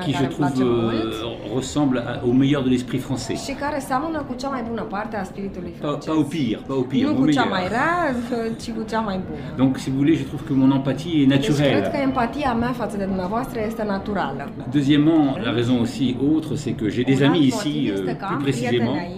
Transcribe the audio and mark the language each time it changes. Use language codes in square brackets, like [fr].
[fr] qui, je trouve, ressemble au meilleur de l'esprit français. [ro] Și care seamănă cu cea mai bună parte a spiritului [fr] français. Pas au pire, pas au pire. [ro] Nu cu cea mai rază, ci cu cea mai bună. [fr] Donc, si vous voulez, je trouve que mon empathie est naturelle. [ro] Deci, cred că empatia mea față de dumneavoastră este naturală. [fr] Deuxièmement, la raison aussi autre, c'est que j'ai des amis ici, plus précisément.